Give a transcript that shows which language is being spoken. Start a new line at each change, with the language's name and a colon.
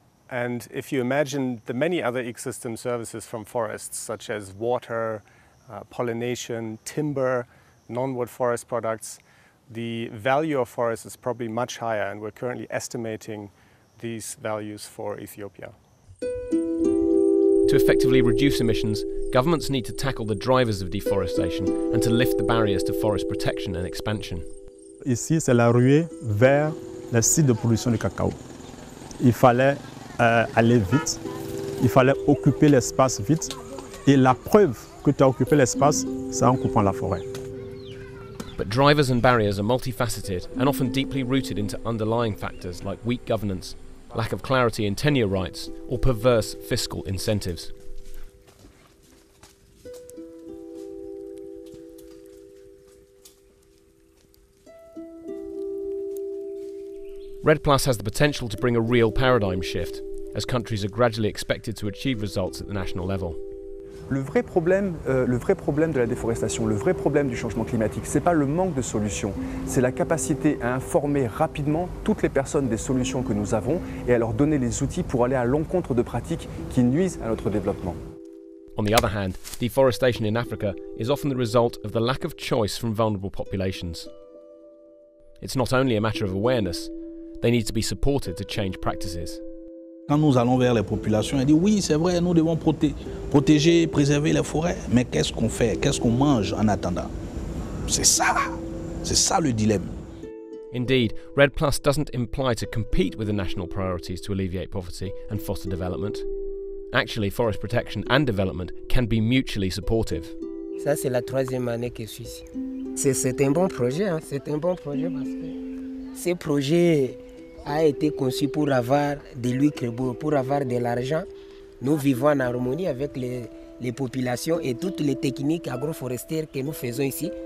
English: And if you imagine the many other ecosystem services from forests, such as water, pollination, timber, non-wood forest products, the value of forests is probably much higher, and we're currently estimating these values for Ethiopia. To effectively reduce emissions, governments need to tackle the drivers of deforestation and to lift the barriers to forest protection and expansion.
French: Ici, c'est la ruée vers le site de production du cacao. Il fallait aller vite, il fallait occuper l'espace vite, et la preuve que tu as occupé l'espace, c'est en coupant la forêt.
English: But drivers and barriers are multifaceted and often deeply rooted into underlying factors like weak governance, lack of clarity in tenure rights, or perverse fiscal incentives. REDD Plus has the potential to bring a real paradigm shift, as countries are gradually expected to achieve results at the national level.
French: Le vrai problème de la déforestation, le vrai problème du changement climatique, ce n'est pas le manque de solutions, c'est la capacité à informer rapidement toutes les personnes des solutions que nous avons et à leur donner les outils pour aller à l'encontre de pratiques qui nuisent à notre développement.
English: On the other hand, deforestation in Africa is often the result of the lack of choice from vulnerable populations. It's not only a matter of awareness, they need to be supported to change practices.
French: Quand nous allons vers les populations, elles disent oui, c'est vrai, nous devons protéger, préserver les forêts. Mais qu'est-ce qu'on fait? Qu'est-ce qu'on mange en attendant? C'est ça le dilemme.
English: Indeed, REDD Plus doesn't imply to compete with the national priorities to alleviate poverty and foster development. Actually, forest protection and development can be mutually supportive.
French: Ça, c'est la troisième année que je suis ici. C'est un bon projet, hein? C'est un bon projet parce que ce projet a été conçu pour avoir de l'huile, pour avoir de l'argent. Nous vivons en harmonie avec les populations et toutes les techniques agroforestières que nous faisons ici.